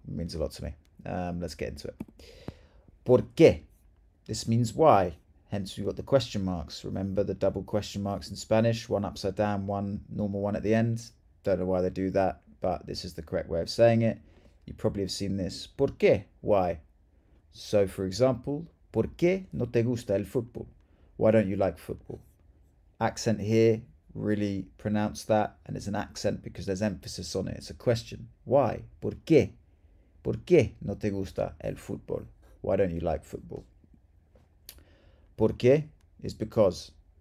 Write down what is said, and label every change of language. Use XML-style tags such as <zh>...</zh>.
<en>It means a lot to me. Let's get into it. Porqué. This means why. Hence, we've got the question marks. Remember the double question marks in Spanish, one upside down, one normal one at the end. Don't know why they do that, but this is the correct way of saying it. You probably have seen this. ¿Por qué? Why? So, for example,</en> <es>¿Por qué no te gusta el fútbol?</es> <en>Why don't you like football? Accent here, really pronounce that, and it's an accent because there's emphasis on it. It's a question. Why?</en> <es>¿Por qué? ¿Por qué no te gusta el fútbol?</es> <en>Why don't you like football? Porque is because.</en>